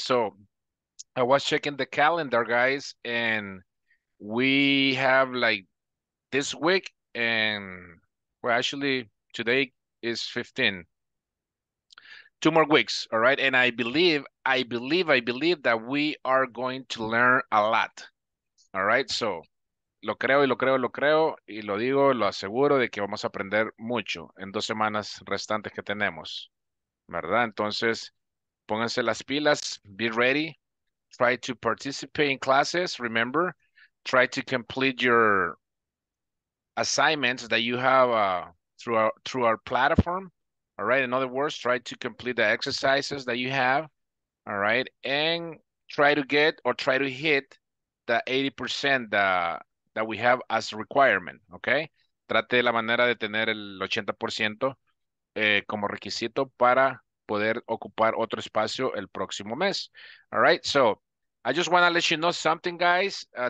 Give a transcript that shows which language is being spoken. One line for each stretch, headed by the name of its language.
English: So, I was checking the calendar, guys, and we have like this week, and well, actually, today is 15. Two more weeks, all right? And I believe that we are going to learn a lot, all right?
Spanish: So, lo creo y lo creo y lo creo y lo digo, lo aseguro de que vamos a aprender mucho en 2 semanas restantes que tenemos, ¿verdad? Entonces, pónganse las pilas,
English: be ready, try to participate in classes, remember, try to complete your assignments that you have through our platform. All right. In other words, try to complete the exercises that you have. All right. And try to get or try to hit the 80% that we have as a requirement. Okay.
Spanish: Trate la manera de tener el 80% como requisito para poder ocupar otro espacio el próximo mes.
English: All right. So I just want to let you know something, guys.